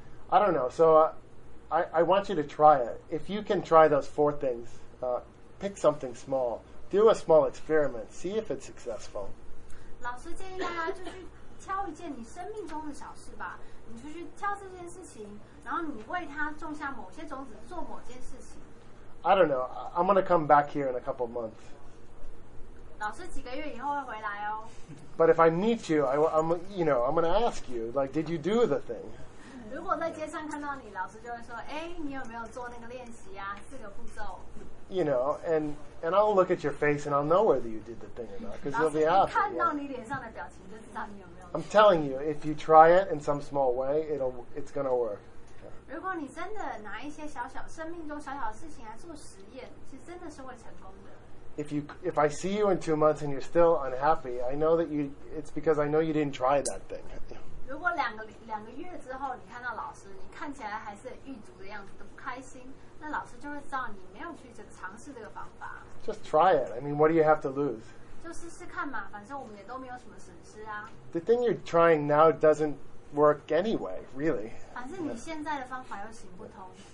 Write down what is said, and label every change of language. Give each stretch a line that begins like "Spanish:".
English: I don't know. So I want you to try it. If you can try those four things, pick something small. Do a small experiment. See if it's successful.
Chinese: 老师建议大家就去挑一件你生命中的小事吧。你就去挑这件事情，然后你为它种下某些种子，做某件事情。
English: I don't know. I'm going to come back here in a couple of months.
Chinese: 老师几个月以后会回来哦。
English: But if I meet you, I'm going to ask you, like, did you do the thing?
Chinese: 如果在街上看到你，老师就会说，哎，你有没有做那个练习啊？四个步骤。
English: You know, and I'll look at your face and I'll know whether you did the thing or not, because you'll be asked.
Chinese: 看到你脸上的表情就知道你有没有。
English: I'm telling you, if you try it in some small way, it's going to work.
Chinese: 如果你真的拿一些小小生命中小小的事情来做实验，其实真的是会成功的。
English: If I see you in 2 months and you're still unhappy, I know that you, it's because I know you didn't try that thing.
Chinese: 如果两个月之后你看到老师，你看起来还是郁卒的样子，都不开心，那老师就会知道你没有去这个尝试这个方法。
English: Just try it. I mean, what do you have to lose?
Chinese: 就试试看嘛，反正我们也都没有什么损失啊。
English: The thing you're trying now doesn't work anyway, really.
Chinese: 反正你现在的方法又行不通。